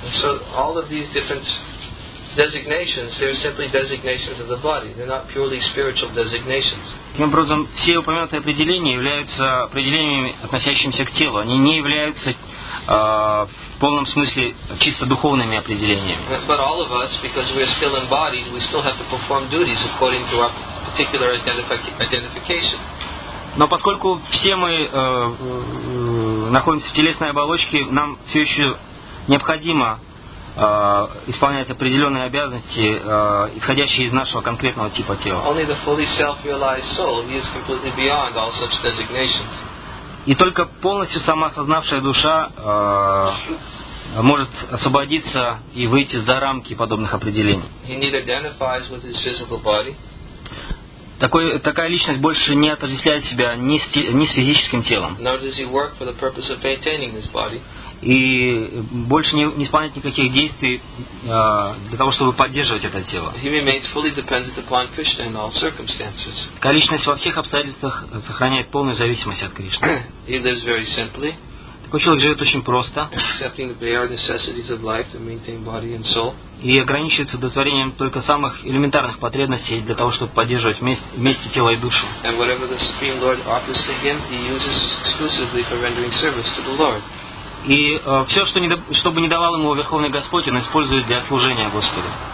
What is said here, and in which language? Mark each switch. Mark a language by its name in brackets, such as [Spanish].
[English] So all of these different designations, they're simply designations of the body. They're not purely spiritual designations. [Russian] Таким образом, все упомянутые определения являются определениями, относящимися к телу. Они не являются в полном смысле чисто духовными определениями. [English] But all of us, because we are still embodied, we still have to perform duties according to our particular identification. [Russian] Но поскольку все мы находимся в телесной оболочке, нам все еще необходимо исполнять определенные обязанности, исходящие из нашего конкретного типа тела. [English] Only the fully self-realized soul is completely beyond all such designations. [Russian] И только полностью самоосознавшая душа может освободиться и выйти за рамки подобных определений. [English] He neither identifies with his physical body. [Russian] Такая личность больше не отождествляет себя ни с физическим телом. [English] Nor does he work for the purpose of maintaining this body. [Russian] И больше не исполняет никаких действий для того, чтобы поддерживать это тело. [English] He remains fully dependent upon Krishna in all circumstances. [Russian] Такая личность во всех обстоятельствах сохраняет полную зависимость от Кришны. [English] He lives very simply. [Russian] Такой человек живет очень просто. [English] Accepting the bare necessities of life to maintain body and soul. [Russian] И ограничивается удовлетворением только самых элементарных потребностей для того, чтобы поддерживать вместе тело и душу. [English] And whatever the Supreme Lord offers to him, he uses exclusively for rendering service to the Lord. [Russian] И все, что чтобы не давал ему Верховный Господь, он использует для служения Господу.